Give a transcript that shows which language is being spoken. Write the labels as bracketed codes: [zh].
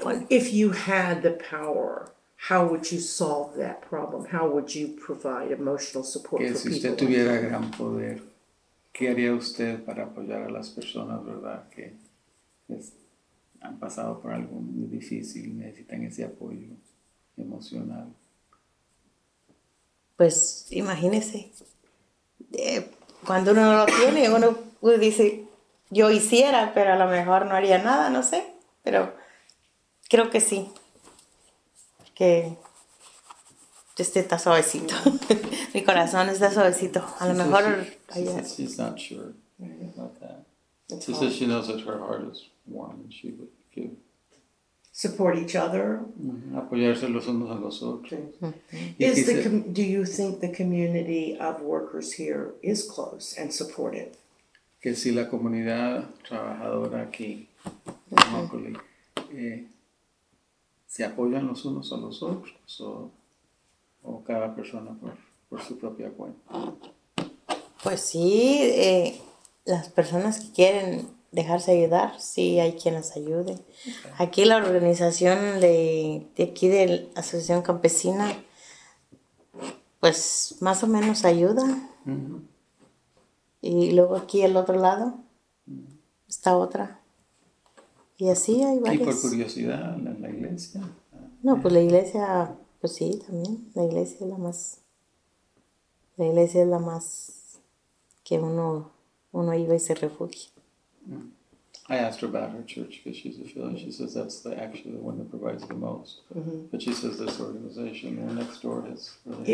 [en] If you had the power, how would you solve that problem? How would you provide emotional support for [es] si Si usted tuviera gran poder, ¿qué haría usted para apoyar a las personas, verdad, que han pasado por algo muy difícil y necesitan ese apoyo emocional? Pues imagínese, cuando uno no lo tiene, uno dice, yo hiciera, pero a lo mejor no haría nada, no sé, pero creo que sí, que este está suavecito, mi corazón está suavecito, a lo mejor. [en] She's not sure about that. She says she knows that her heart is warm and she would give. Support each other. [es] Mm-hmm. Apoyarse los unos a los otros. [en] Okay. Is the do you think the community of workers here is close and supportive? [es] Que si la comunidad trabajadora aquí, locally, se apoyan los unos a los otros, o cada persona por su propia cuenta. Pues sí, las personas que quieren dejarse ayudar, sí, hay quien las ayude. Okay. Aquí la organización de aquí de la Asociación Campesina, pues más o menos ayuda. Uh-huh. Y luego aquí al otro lado, uh-huh, está otra. Y así hay varias. ¿Y por curiosidad la iglesia? No, pues la iglesia, pues sí, también. La iglesia es la más que uno iba y se refugia. [en] I asked her about her church because she's a fellow. She says that's actually the one that provides the most. Mm-hmm. But she says this organization, the next door, is really helpful.